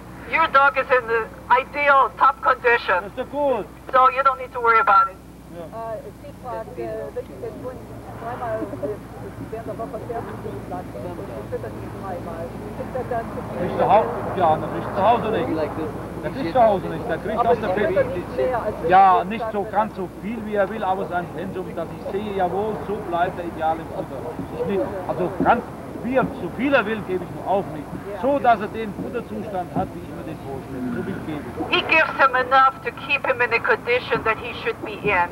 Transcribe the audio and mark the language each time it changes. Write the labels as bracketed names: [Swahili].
[English] Your dog is in the ideal, top condition. [German] Ist doch gut. [English] So you don't need to worry about it. [German] Nicht zu Hause, ja, nicht zu Hause nicht. Das ist zu Hause nicht. Der kriegt aus der Pfiff. Ja, nicht so ganz so viel wie er will, aber sein Pensum, dass ich sehe, jawohl, so bleibt er ideal im Futter. Also ganz, wie er zu viel er will, gebe ich ihm auch nicht. So, dass er den Futterzustand hat, wie ich mir den vorstelle. So viel gebe ich. [English] He gives him enough to keep him in the condition that he should be in.